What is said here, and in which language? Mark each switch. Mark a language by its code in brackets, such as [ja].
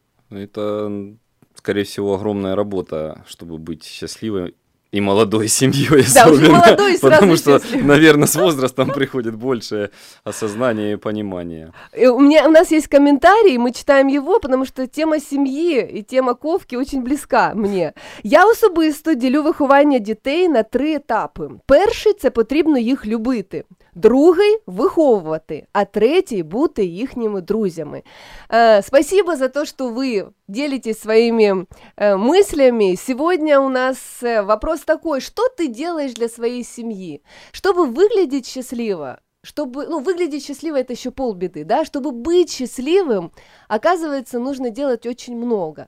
[ru] Это, скорее всего, огромная работа, чтобы быть счастливой и молодой семьей, да, особенно, уже молодой, потому что, наверное, с возрастом приходит больше осознания и понимания. У нас есть комментарий, мы читаем его, потому что тема семьи и тема ковки очень близка мне. [uk] Я особисто ділю виховання дітей на три етапи. Перший – це потрібно їх любити. Другий – виховувати, а третій – бути їхніми друзями. [ru] Спасибо за то, что вы делитесь своими мыслями. Сегодня у нас вопрос такой, что ты делаешь для своей семьи, чтобы выглядеть счастливо? Чтобы, ну, выглядеть счастливо – это еще полбеды, да? Чтобы быть счастливым, оказывается, нужно делать очень много.